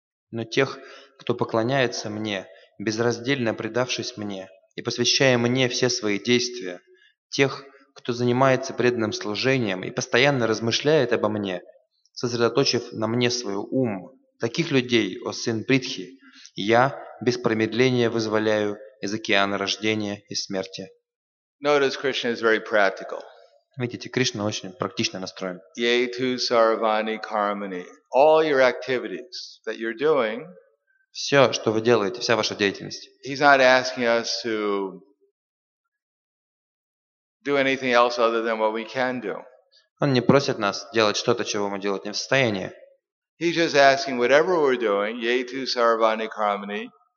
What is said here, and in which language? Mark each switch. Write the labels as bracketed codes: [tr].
[ru] Но тех, кто поклоняется мне, безраздельно предавшись мне и посвящая мне все свои действия, тех, кто занимается преданным служением и постоянно размышляет обо мне, сосредоточив на мне свой ум, таких людей, о сын Притхи, я без промедления вызволяю из океана рождения и смерти. [en] Notice Krishna is very practical. [ru] Видите, Кришна очень практично настроен. [sa] Yetu sarvani karmani. [en] All your activities that you're doing. [ru] Все, что вы делаете, вся ваша деятельность. [en] He's not asking us to do anything else other than what we can do. [ru] Он не просит нас делать что-то, чего мы делать не в состоянии. [en] He's just asking whatever we're doing, [sa] yetu sarvani karmani.